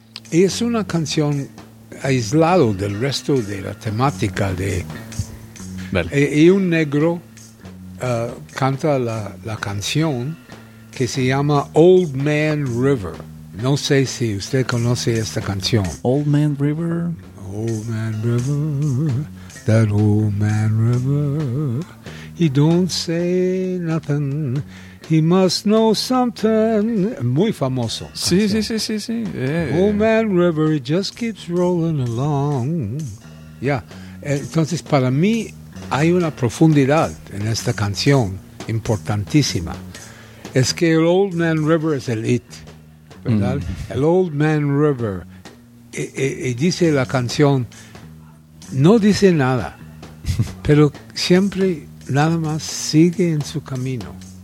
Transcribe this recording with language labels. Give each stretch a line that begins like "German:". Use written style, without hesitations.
Spanish: Y es una canción aislada del resto de la temática de... Vale. Y un negro canta la canción que se llama Old Man River. No sé si usted conoce esta canción.
English: Old Man River. Old Man River, that old man river. He don't say nothing. He must know something.
Spanish: Muy famoso. Sí, sí, sí, sí, sí. Yeah.
English: Old Man River, it just keeps rolling along. Yeah.
Spanish: Entonces, para mí, hay una profundidad en esta canción importantísima. Es que el Old Man River es el IT, ¿verdad? Mm. El Old Man River. Y dice la canción, no dice nada, pero siempre nada más sigue en su camino.